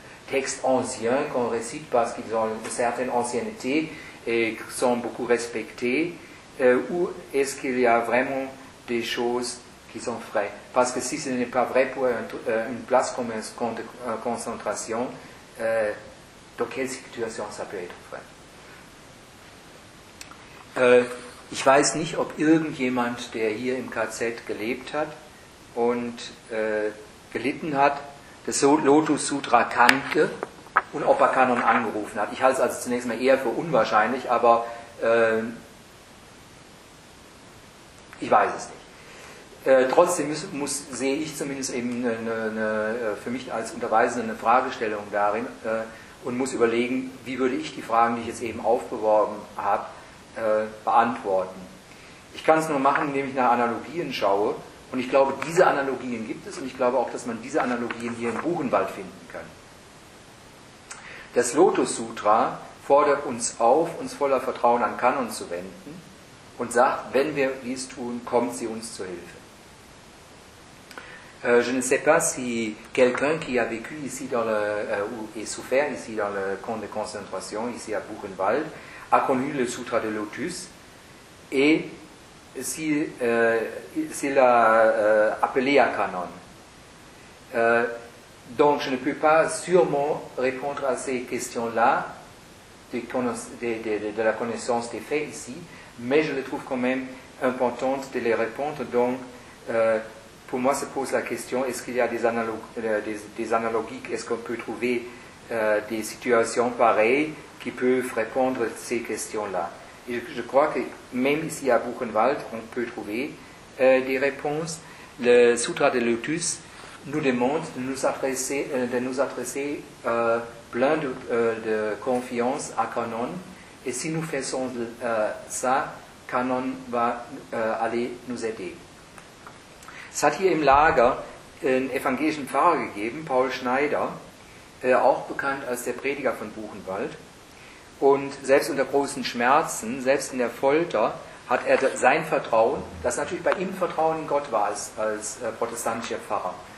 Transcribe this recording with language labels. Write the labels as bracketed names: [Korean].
[French] textes anciens qu'on récite parce qu'ils ont une certaine ancienneté et sont beaucoup respectés, ou est-ce qu'il y a vraiment des choses qui sont vraies? Parce que si ce n'est pas vrai pour une place comme un camp de concentration, dans quelle situation ça peut être vrai? [German] Ich weiß nicht, ob irgendjemand, der hier im KZ gelebt hat und gelitten hat, das Lotus Sutra kannte und ob er Kanon angerufen hat. Ich halte es also zunächst mal eher für unwahrscheinlich, aber ich weiß es nicht. Trotzdem sehe ich zumindest eben eine für mich als Unterweisende eine Fragestellung darin und muss überlegen, wie würde ich die Fragen, die ich jetzt eben aufgeworfen habe, beantworten. Ich kann es nur machen, indem ich nach Analogien schaue, und ich glaube, diese Analogien gibt es, und ich glaube auch, dass man diese Analogien hier im Buchenwald finden kann. Das Lotus-Sutra fordert uns auf, uns voller Vertrauen an Kanon zu wenden und sagt, wenn wir dies tun, kommt sie uns zur Hilfe. [French] Je ne sais pas si quelqu'un qui a vécu ici dans le, ou est souffert ici dans le camp de concentration, ici à Buchenwald, a connu le Sutra de Lotus et s'il a appelé à Kanon. Donc je ne peux pas sûrement répondre à ces questions-là de la connaissance des faits ici, mais je les trouve quand même importantes de les répondre. Donc pour moi se pose la question, est-ce qu'il y a des analogies, est-ce qu'on peut trouver des situations pareilles qui peuvent répondre à ces questions-là. Et je crois que même ici à Buchenwald, on peut trouver des réponses. Le Sutra de Lotus nous demande de nous adresser plein de confiance à Kanon. Et si nous faisons ça, Kanon va aller nous aider. [German] Es hat hier im Lager einen evangelischen Pfarrer gegeben, Paul Schneider, auch bekannt als der Prediger von Buchenwald. Und selbst unter großen Schmerzen, selbst in der Folter, hat er sein Vertrauen, das natürlich bei ihm Vertrauen in Gott war, als protestantischer Pfarrer.